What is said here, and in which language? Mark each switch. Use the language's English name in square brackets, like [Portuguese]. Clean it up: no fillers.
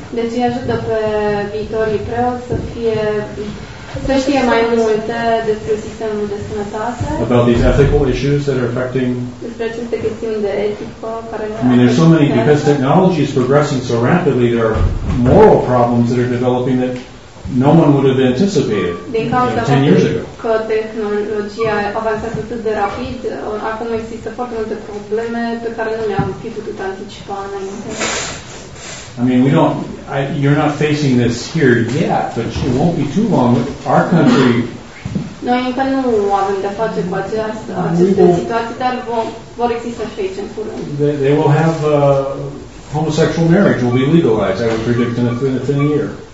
[Romanian] Deci ajută pe viitorii preoți să știe mai multe despre sistemul de sănătate. [English] About these ethical issues that are affecting. [Romanian] Despre aceste chestiuni de etică care. [English] I mean, there's so many because technology is progressing so rapidly. There are moral problems that are developing that no one would have anticipated 10 years ago. [Romanian] Că tehnologia avansează atât de rapid, acum există foarte multe probleme pe care nu le-am fi putut anticipa înainte. [English] I mean, you're not facing this here yet, but it won't be too long. Our country. [Romanian] Noi încă nu avem de face cu aceste situații, dar vor exista și aici în curând. [English] They will have homosexual marriage will be legalized, I would predict, in a year.